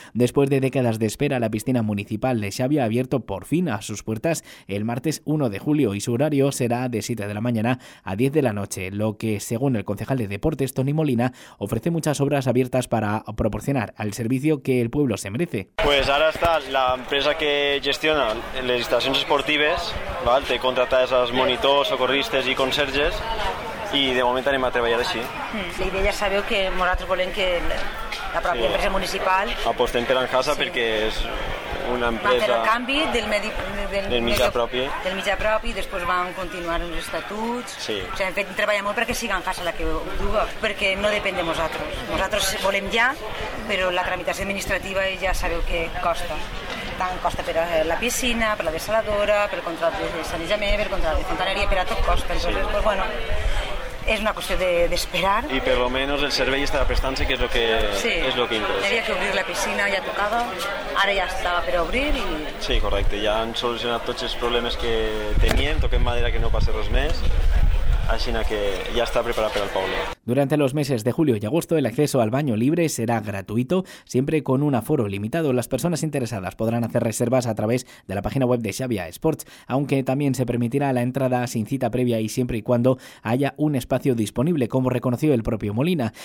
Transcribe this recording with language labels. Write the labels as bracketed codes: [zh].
[es] Después de décadas de espera, la piscina municipal de Xavia ha abierto por fin a sus puertas el martes 1 de julio y su horario será de 7 de la mañana a 10 de la noche, lo que, según el concejal de deportes, Tony Molina, ofrece muchas obras abiertas para proporcionar al servicio que el pueblo se merece. Pues ahora está la empresa que gestiona las instalaciones esportivas, ¿vale? Te contrata a esos monitores, socorristas y conserjes, y de momento [ca] anem a treballar així. La idea, ya sabeu que nosaltres volem que la pròpia sí, empresa municipal. Apostem per Enhasa sí, perquè és una empresa... Va fer el canvi del mitjà propi. Del mitjà propi, després vam continuar els estatuts. Sí. O sigui, hem fet treballar molt perquè siga Enhasa la que ho duga, perquè no depèn de nosaltres. Nosaltres volem ja, però la tramitació administrativa ja sabeu que costa. Tant costa per la piscina, per la desaladora, per el contrat de sanejament, per el contrat de fontaneria, per a tot costa. [es] Entonces, sí, pues bueno, [ca] és una qüestió d'esperar. I per lo menos el servei està prestant-se, que és lo que, sí, és lo que interessa. Havia que obrir la piscina, ja tocava, ara ja està per obrir. I... Sí, correcte, ja han solucionat tots els problemes que teníem, toquem madera que no passi res més. [es] Así que ya está preparado para el pueblo. Durante los meses de julio y agosto, el acceso al baño libre será gratuito, siempre con un aforo limitado. Las personas interesadas podrán hacer reservas a través de la página web de Xavia Sports, aunque también se permitirá la entrada sin cita previa y siempre y cuando haya un espacio disponible, como reconoció el propio Molina.